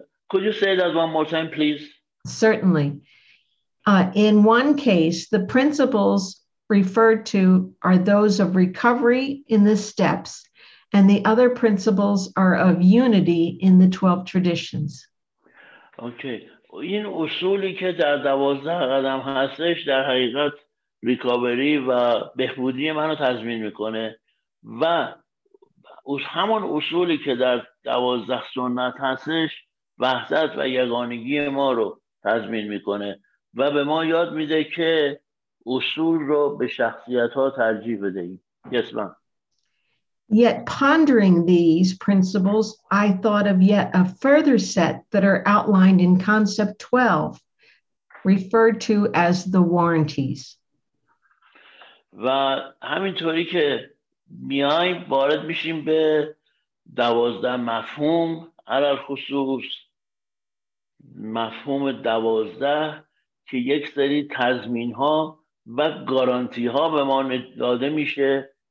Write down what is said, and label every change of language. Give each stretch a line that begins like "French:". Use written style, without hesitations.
English: Could you say that one more time, please? Certainly. In one case, the principles referred to are those of recovery in the steps, and the other principles are of unity in the 12 traditions. Okay.
Persian: این اصولی که در 12 قدم هستش در حقیقت ریکاوری و بهبودی منو تضمین میکنه و همون اصولی که در 12 سنت هستش وحدت و یگانگی ما رو تضمین میکنه و به ما یاد میده که اصول رو به شخصیت ها ترجیح بدهیم.
English: Yes, ma'am. Yet pondering these principles, I thought of yet a further set that are outlined in concept 12, referred to as the warranties.
Persian: و همینطوری که میایم وارد میشیم به 12 مفهوم، علل خصوص مفهوم 12 که یک سری تضمین ها و گارانتی ها به ما داده میشه.